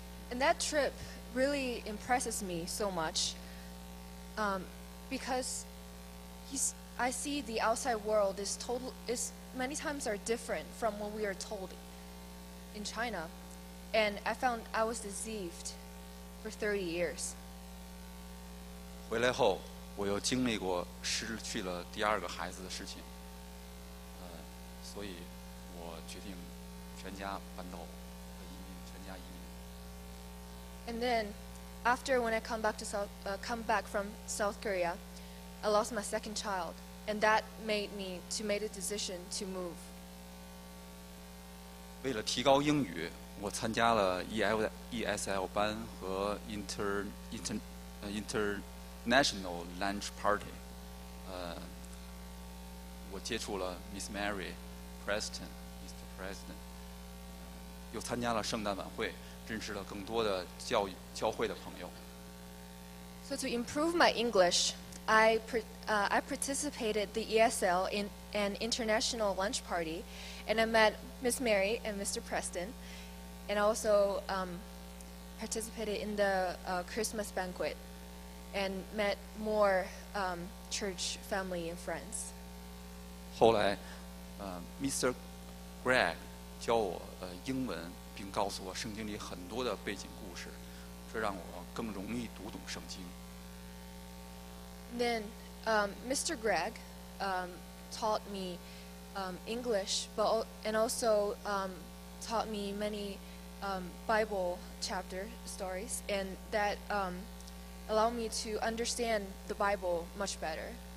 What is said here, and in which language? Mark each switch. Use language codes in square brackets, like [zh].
[en] And that trip really impresses me so much, because I see the outside world is many times are different from what we are told in China, and I found I was deceived for 30 years. [zh] 回来后，我又经历过失去了第二个孩子的事情，所以我决定全家搬到移民，全家移民。 [en] And then, after when I come back from South Korea, I lost my second child, and that made a decision to move. [zh] 为了提高英语，我参加了 ESL 班和 [en] International Lunch Party. [zh] 我接触了 Miss Mary, Preston, Mr. President, 又参加了圣诞晚会。认识了更多的教会的朋友。 [en] So to improve my English, I participated the ESL in an international lunch party, and I met Miss Mary and Mr. Preston, and also participated in the Christmas banquet, and met more church family and friends. [zh] 后来，Mr. Greg 教我英文。并告诉我圣经里很多的背景故事，这让我更容易读懂圣经。 [en] Then, Mr. Greg, taught me, English, but and also, taught me many, Bible chapter stories, and that, allowed me to understand the Bible much better.